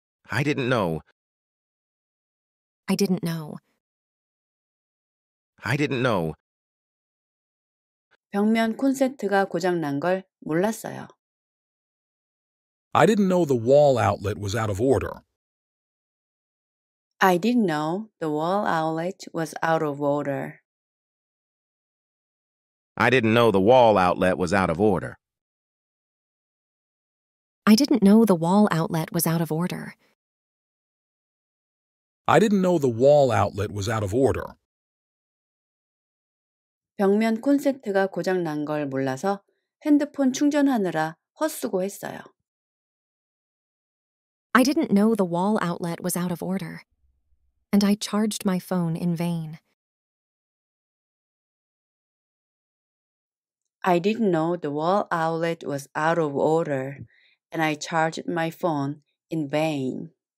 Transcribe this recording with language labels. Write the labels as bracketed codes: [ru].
[en] I didn't know. I didn't know. I didn't know. [ko] 벽면 콘센트가 고장 난 걸 몰랐어요. [en] I didn't know the wall outlet was out of order. I didn't know the wall outlet was out of order. I didn't know the wall outlet was out of order. I didn't know the wall outlet was out of order. I didn't know the wall outlet was out of order. [ko] 벽면 콘센트가 고장 난 걸 몰라서 핸드폰 충전하느라 헛수고했어요. [en] I didn't know the wall outlet was out of order, and I charged my phone in vain. I didn't know the wall outlet was out of order, and I charged my phone in vain.